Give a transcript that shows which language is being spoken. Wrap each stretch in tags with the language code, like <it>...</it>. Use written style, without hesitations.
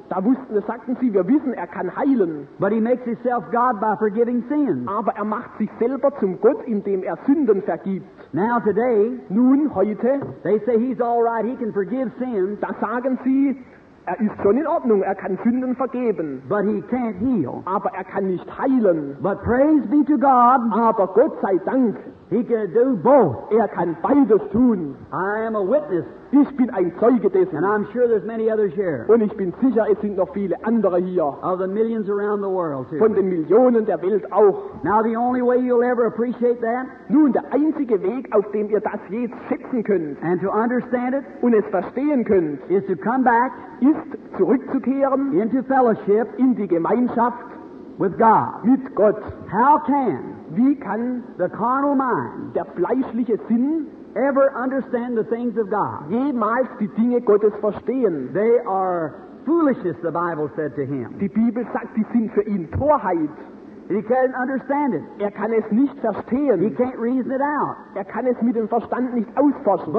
<de>da wussten, sagten sie, wir wissen, er kann heilen,</de> <en>but he makes himself God by forgiving sins,</en> <de>aber er macht sich selber zum Gott, indem er Sünden vergibt.</de> <en>Now today,</en> <de>nun heute,</de> <en>they say he's all right, he can forgive sins,</en> <de>da sagen sie, er ist schon in Ordnung, er kann Sünden vergeben,</de> <en>but he can't heal,</en> <de>aber er kann nicht heilen,</de> <en>but praise be to God,</en> <de>aber Gott sei Dank,</de> <en>he can do both.</en> <de>Er kann beides tun.</de> <en>I am a witness.</en> <de>Ich bin ein Zeuge dessen.</de> <en>And I'm sure there's many others here.</en> <de>Und ich bin sicher, es sind noch viele andere hier.</de> <en>Of the millions around the world too.</en> <de>Von den Millionen der Welt auch.</de> <en>Now the only way you'll ever appreciate that.</en> <de>Nun der einzige Weg, auf dem ihr das jetzt schätzen könnt.</de> <en>And to understand it.</en> <de>Und es verstehen könnt.</de> <en>Is to come back.</en> <de>Ist zurückzukehren.</de> <en>Into fellowship.</en> <de>In die Gemeinschaft.</de> <en>With God.</en> <de>Mit Gott.</de> <en>How can,</en> <de>wie kann,</de> <en>the carnal mind,</en> <de>der fleischliche Sinn,</de> <en>ever understand the things of God?</en> <de>Jemals die Dinge Gottes verstehen?</de> <en>They are foolishness, the Bible said to him.</en> <de>Die Bibel sagt, die sind für ihn Torheit.</de> <en>He can't understand it.</en> <de>Er kann es nicht verstehen.</de> <en>He can't reason it out.</en> <de>Er kann es mit dem Verstand nicht ausforschen.</de>